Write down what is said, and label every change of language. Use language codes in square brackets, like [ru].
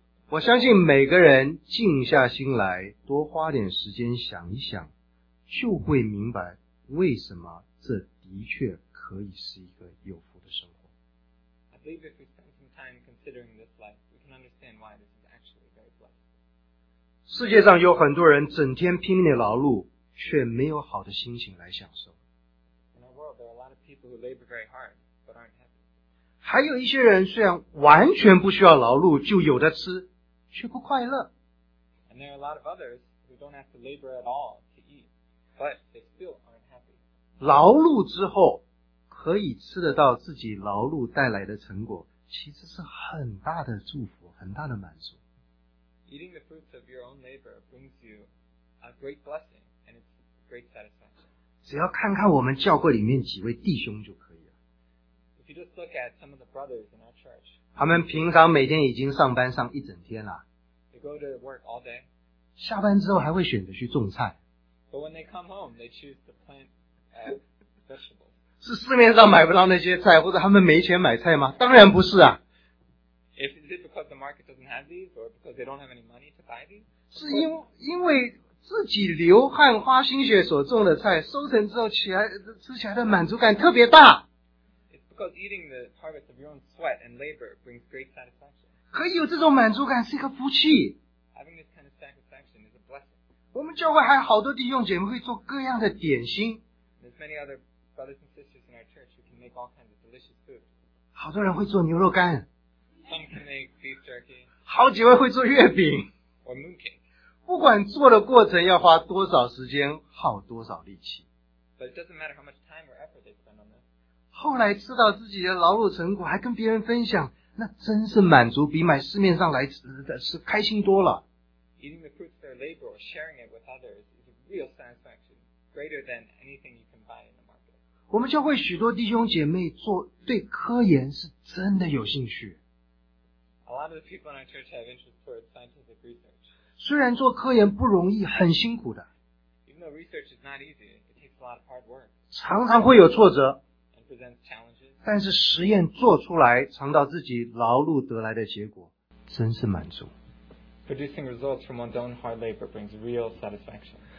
[zh] 我相信每个人静下心来多花点时间想一想，就会明白为什么这的确可以是一个有福的生活。 [en] I believe if we spend some time considering this life, we can understand why this is actually very blessed. [zh] 世界上有很多人整天拼命的劳碌，却没有好的心情来享受。 [en] In our world, there are a lot of people who labor very hard, but aren't happy. [zh] 还有一些人虽然完全不需要劳碌，就有的吃。却不快乐。 [en] And there are a lot of others who don't have to labor at all to eat, but they still aren't happy. [zh] 劳碌之后可以吃得到自己劳碌带来的成果，其实是很大的祝福，很大的满足。 [en] Eating the fruits of your own labor brings you a great blessing and it's great satisfaction. [zh] 只要看看我们教会里面几位弟兄就可以了。 [en] If you just look at some of the brothers in our church, [zh] 他们平常每天已经上班上一整天了。 [en] They go to work all day. [zh] 下班之后还会选择去种菜。 [en] But when they come home, they choose to plant vegetables. [zh] 是市面上买不到那些菜，或者他们没钱买菜吗？当然不是啊。 [en] Is it because the market doesn't have these, or because they don't have any money to buy these? [zh] 是因为自己流汗花心血所种的菜，收成之后吃起来的满足感特别大。 [en] Because eating the harvest of your own sweat and labor brings great satisfaction. [zh] 可以有这种满足感是一个福气。 [en] Having this kind of satisfaction is a blessing. [zh] 我们教会还有好多弟兄姐妹会做各样的点心。 [en] There's many other brothers and sisters in our church who can make all kinds of delicious food. [zh] 好多人会做牛肉干。 [en] Some can make beef jerky. [zh] 好几位会做月饼。 [en] Or mooncake. [zh] 不管做的过程要花多少时间，耗多少力气。 [en] But it doesn't matter how much time or effort they spend on this. [zh] 后来吃到自己的劳碌成果，还跟别人分享，那真是满足，比买市面上来的是开心多了。 [en] Eating the fruits of their labor or sharing it with others is a real satisfaction, greater than anything you can buy in the market. [zh] 我们教会许多弟兄姐妹对科研是真的有兴趣。 [en] A lot of the people in our church have interest towards scientific research. [zh] 虽然做科研不容易，很辛苦的。 [en] Even though research is not easy, it takes a lot of hard work. [zh] 常常会有挫折。 [en] Challenges. [zh] 但是实验做出来，尝到自己劳碌得来的结果，真是满足。 [en] But producing results from one's own hard labor brings real satisfaction.